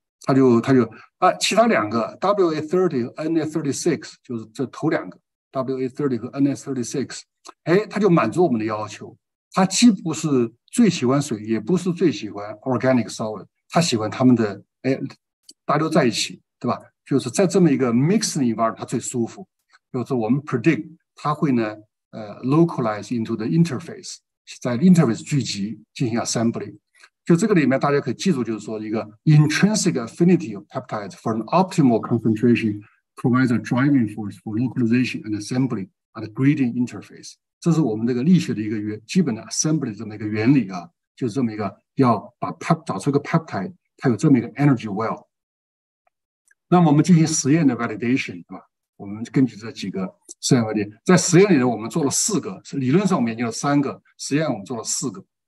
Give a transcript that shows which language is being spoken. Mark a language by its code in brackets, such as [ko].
[zh] 他就其他两个 WA30 NS36， 就是这头两个 WA30 和 NS36， 哎，他就满足我们的要求，他既不是最喜欢水，也不是最喜欢 organic solvent， 他喜欢他们的哎，大家都在一起，对吧？就是在这么一个 mixing environment， 他最舒服。就是我们 predict 它会呢 [en] localize into the interface， [zh] 在 interface 聚集进行 assembly。就这个里面大家可以记住，就是说 [en] 一个 intrinsic affinity of peptides for an optimal concentration provides a driving force for localization and assembly at a gradient interface。 [zh] 这是我们这个力学的一个基本的 assembly 这么一个原理啊，就是这么一个要把找出一个 peptide， 它有这么一个 energy well。那么我们进行实验的 validation， 对吧？我们根据这几个实验问题，在实验里我们做了四个，理论上我们研究了三个，实验我们做了四个。